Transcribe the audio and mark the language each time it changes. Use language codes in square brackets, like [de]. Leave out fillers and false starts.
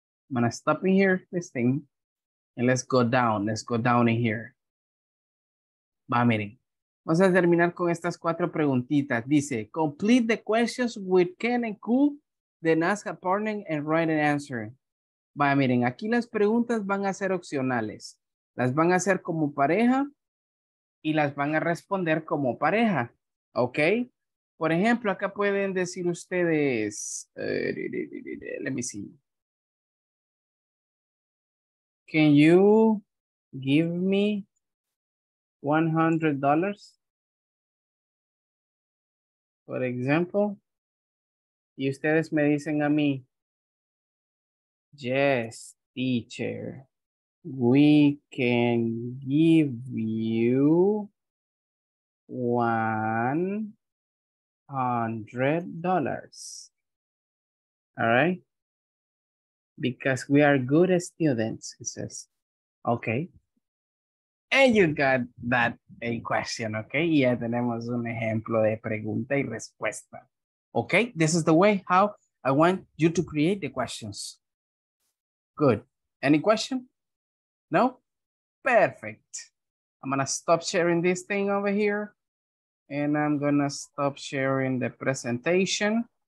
[en] I'm gonna stop in here, this thing, and let's go down in here. [es] Va, miren. Vamos a terminar con estas cuatro preguntitas. Dice, [en] complete the questions with can and could, then ask a partner and write an answer. [es] Va, miren, aquí las preguntas van a ser opcionales. Las van a hacer como pareja y las van a responder como pareja. ¿Ok? Por ejemplo, acá pueden decir ustedes, [en] let me see. Can you give me $100? For example, [es] y ustedes me dicen a mí, [en] yes, teacher, we can give you $100. All right. Because we are good students, he says. Okay. And you got that a question, okay? [es] Ya tenemos un ejemplo de pregunta y respuesta. [en] Okay, this is the way how I want you to create the questions. Good. Any question? No? Perfect. I'm gonna stop sharing this thing over here. And I'm gonna stop sharing the presentation.